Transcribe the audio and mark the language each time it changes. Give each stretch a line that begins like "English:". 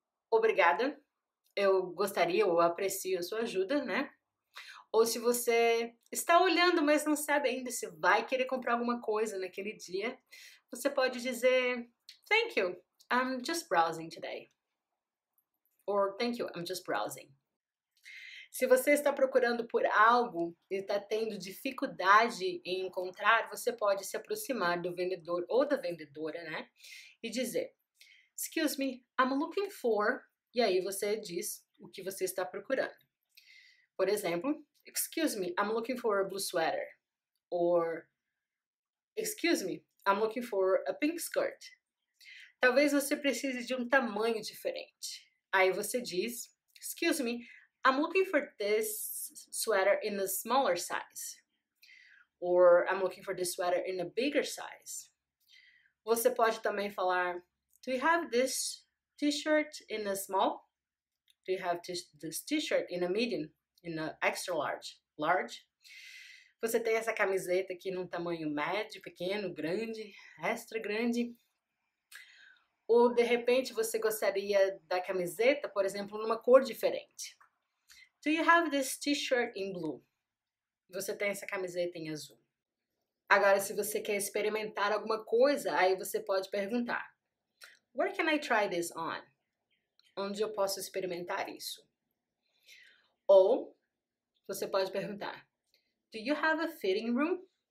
Portuguese: Obrigada, eu gostaria ou aprecio a sua ajuda, né? Ou se você está olhando, mas não sabe ainda se vai querer comprar alguma coisa naquele dia, você pode dizer
English: thank you, I'm just browsing today. Or thank you, I'm just browsing.
Portuguese: Se você está procurando por algo e está tendo dificuldade em encontrar, você pode se aproximar do vendedor ou da vendedora, né? E dizer:
English: Excuse me, I'm looking for.
Portuguese: E aí você diz o que você está procurando. Por exemplo:
English: Excuse me, I'm looking for a blue sweater. Or: Excuse me, I'm looking for a pink skirt.
Portuguese: Talvez você precise de um tamanho diferente. Aí você diz:
English: Excuse me, I'm looking for this sweater in a smaller size. Or I'm looking for this sweater in a bigger size.
Portuguese: Você pode também falar:
English: Do you have this t-shirt in a small? Do you have this t-shirt in a medium? In a extra large? Large?
Portuguese: Você tem essa camiseta aqui num tamanho médio, pequeno, grande, extra grande? Ou de repente você gostaria da camiseta, por exemplo, numa cor diferente?
English: Do you have this t-shirt in blue?
Portuguese: Você tem essa camiseta em azul. Agora, se você quer experimentar alguma coisa, aí você pode perguntar:
English: Where can I try this on?
Portuguese: Onde eu posso experimentar isso? Ou você pode perguntar:
English: Do you have a fitting room?